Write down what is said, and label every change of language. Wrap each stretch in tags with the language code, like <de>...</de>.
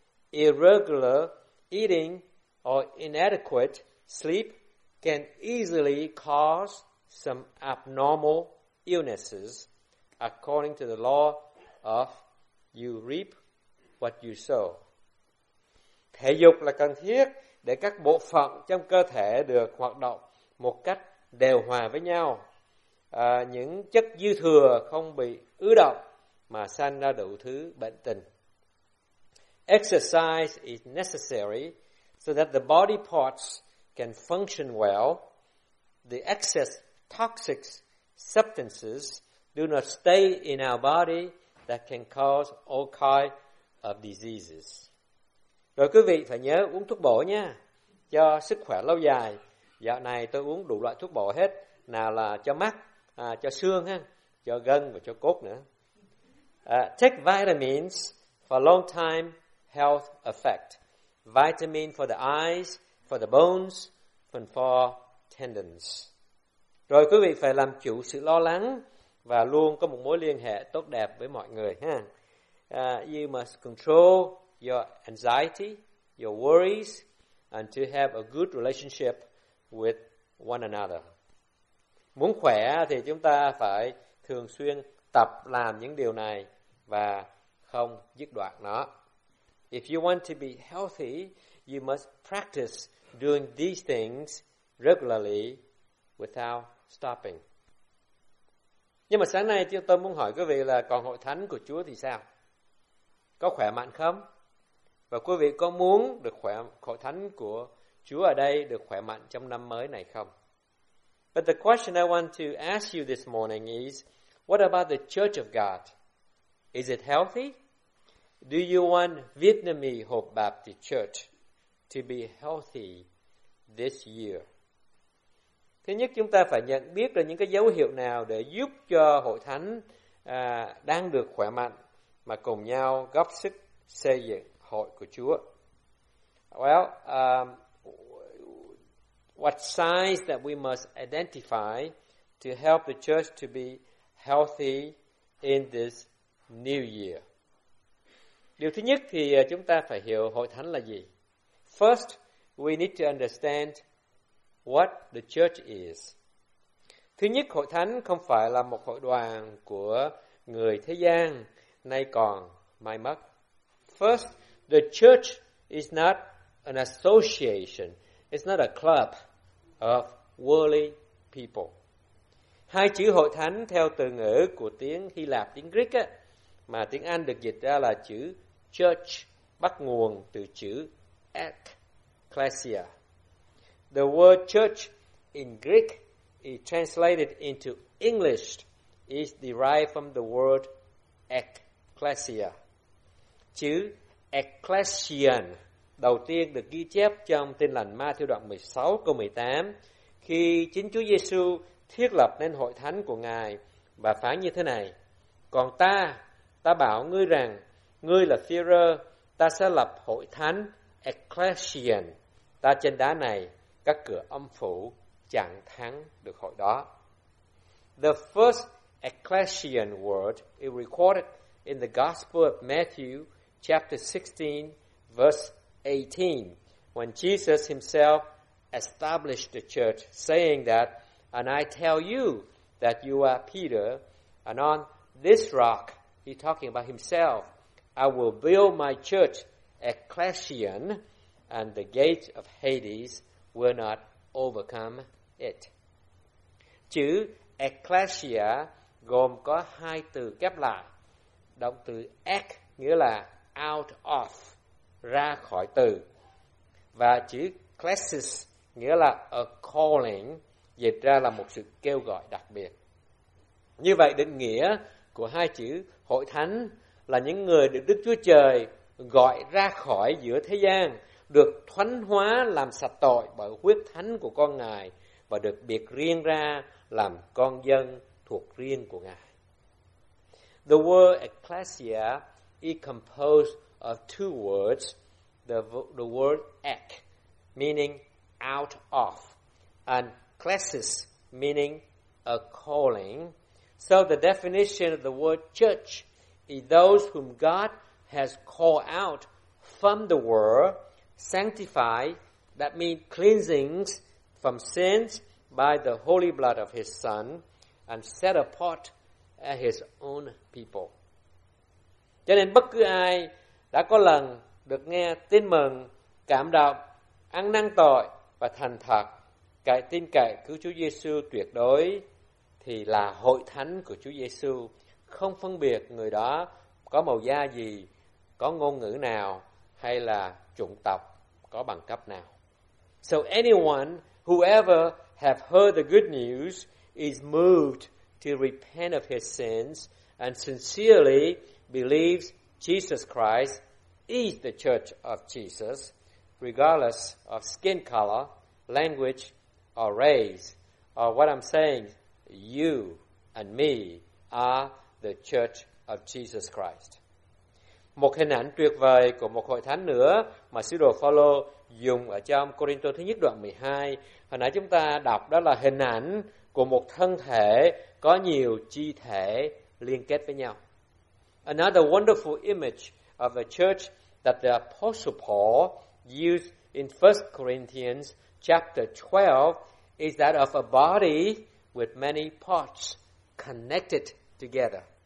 <en>Irregular eating or inadequate sleep can easily cause some abnormal illnesses according to the law of you reap what you sow.</en> <vi>Thể dục là cần thiết để các bộ phận trong cơ thể được hoạt động một cách đều hòa với nhau. Những chất dư thừa không bị ứ động mà sanh ra đủ thứ bệnh tình.</vi> <en>Exercise is necessary so that the body parts can function well. The excess toxic substances do not stay in our body that can cause all kinds of diseases.</en> <vi>Rồi quý vị phải nhớ uống thuốc bổ nha, cho sức khỏe lâu dài. Dạo này tôi uống đủ loại thuốc bổ hết, nào là cho mắt, cho xương, cho gân và cho cốt nữa.</vi> <en>Take vitamins for long-time health effect. Vitamin for the eyes, for the bones, and for tendons.</en> <vi>Rồi quý vị phải làm chủ sự lo lắng và luôn có một mối liên hệ tốt đẹp với mọi người ha.</vi> <en>You must control your anxiety, your worries, and to have a good relationship with one another.</en> <vi>Muốn khỏe thì chúng ta phải thường xuyên tập làm những điều này và không dứt đoạn nó.</vi> <en>If you want to be healthy, you must practice doing these things regularly without stopping.</en> <vi>Nhưng mà sáng nay tôi muốn hỏi quý vị là còn hội thánh của Chúa thì sao? Có khỏe mạnh không? Và quý vị có muốn được khỏe, hội thánh của Chúa ở đây được khỏe mạnh trong năm mới này không?</vi> <en>But the question I want to ask you this morning is, what about the Church of God? Is it healthy? Do you want Vietnamese Hope Baptist Church to be healthy this year?</en> <vi>Thứ nhất, chúng ta phải nhận biết là những cái dấu hiệu nào để giúp cho hội thánh đang được khỏe mạnh mà cùng nhau góp sức xây dựng hội của Chúa.</vi> <en>Well, what signs that we must identify to help the church to be healthy in this new year?</en> <vi>Điều thứ nhất thì chúng ta phải hiểu hội thánh là gì.</vi> <en>First, we need to understand what the church is.</en> <vi>Thứ nhất, hội thánh không phải là một hội đoàn của người thế gian, nay còn mai mất.</vi> <en>First, the church is not an association. It's not a club of worldly people.</en> <vi>Hai chữ hội thánh theo từ ngữ của tiếng Hy Lạp, tiếng Greek á, mà tiếng Anh được dịch ra là chữ church, bắt nguồn từ chữ ekklesia.</vi> <en>The word church in Greek is translated into English is derived from the word ekklesia.</en> <vi>Chữ ekklesian đầu tiên được ghi chép trong Tin Lành Ma-thiêu đoạn 16 câu 18 khi chính Chúa Giê-xu thiết lập nên hội thánh của Ngài và phán như thế này: Còn ta bảo ngươi rằng ngươi là Phi-rơ, ta sẽ lập hội thánh ekklesian ta trên đá này, các cửa âm phủ chẳng thắng được hội đó.</vi> <en>The first ekklesian word is recorded in the Gospel of Matthew chapter 16 verse 18, when Jesus himself established the church, saying that, and I tell you that you are Peter, and on this rock, he's talking about himself, I will build my church, ekklesian, and the gates of Hades will not overcome it.</en> <vi>Chữ ekklesia gồm có hai từ ghép lại. Động từ ek nghĩa là</vi> <en>out of,</en> <vi>ra khỏi từ. Và chữ klesis nghĩa là</vi> <en>a calling,</en> <vi>dịch ra là một sự kêu gọi đặc biệt. Như vậy, định nghĩa của hai chữ hội thánh là những người được Đức Chúa Trời gọi ra khỏi giữa thế gian, được thánh hóa làm sạch tội bởi huyết thánh của con Ngài và được biệt riêng ra làm con dân thuộc riêng của Ngài.</vi> <en>The word ecclesia is composed of two words, the word ek, meaning out of, and klesis, meaning a calling. So the definition of the word church is those whom God has called out from the world, sanctified, that means cleansings from sins by the holy blood of his Son, and set apart as his own people.</en> <vi>Cho nên bất cứ ai đã có lần được nghe tin mừng, cảm động, ăn năn tội và thành thật cậy tin cậy cứu Chúa Giê-xu tuyệt đối thì là hội thánh của Chúa Giê-xu, không phân biệt người đó có màu da gì, có ngôn ngữ nào hay là chủng tộc, có bằng cấp nào.</vi> <en>So anyone, whoever have heard the good news is moved to repent of his sins and sincerely believes Jesus Christ is the church of Jesus, regardless of skin color, language, or race. Or what I'm saying, you and me are the church of Jesus Christ.</en> <vi>Một hình ảnh tuyệt vời của một hội thánh nữa mà sứ đồ Phaolô dùng ở trong Côrintô thứ nhất đoạn 12. Hồi nãy chúng ta đọc đó là hình ảnh của một thân thể có nhiều chi thể liên kết với nhau.</vi> <en>Another wonderful image of a church that the Apostle Paul used in 1 Corinthians chapter 12 is that of a body with many parts connected together.</en>